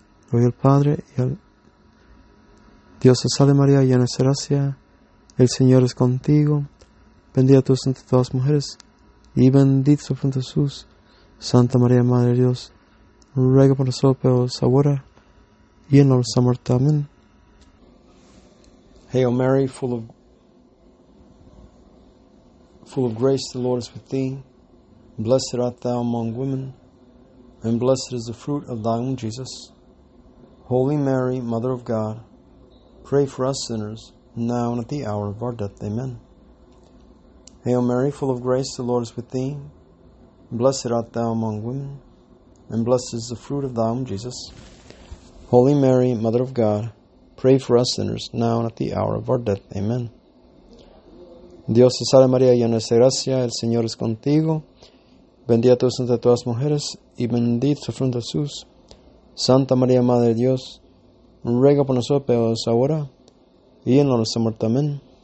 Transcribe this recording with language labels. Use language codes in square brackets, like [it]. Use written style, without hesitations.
[es] Gloria al Padre, y al Dios te salve María, llena eres de gracia, el Señor es contigo. Bendita tú eres entre todas las mujeres, y bendito es el fruto de Jesús. Santa María, Madre de Dios, ruega por nosotros, pecadores, ahora y en nuestra muerte. Amén. [en] Hail Mary, full of grace, the Lord is with thee. Blessed art thou among women, and blessed is the fruit of thy womb, Jesus. Holy Mary, Mother of God, pray for us sinners, now and at the hour of our death. Amen. Hail Mary, full of grace, the Lord is with thee. Blessed art thou among women, and blessed is the fruit of thy womb, Jesus. Holy Mary, Mother of God, pray for us sinners, now and at the hour of our death. Amen. [es] Dios te salve María, llena eres de gracia, el Señor es contigo. Bendita tú eres entre todas las mujeres, y bendito es el fruto de Jesús. Santa María, Madre de Dios, ruega por nosotros, pecadores, ahora y en la hora de nuestra muerte. Amén.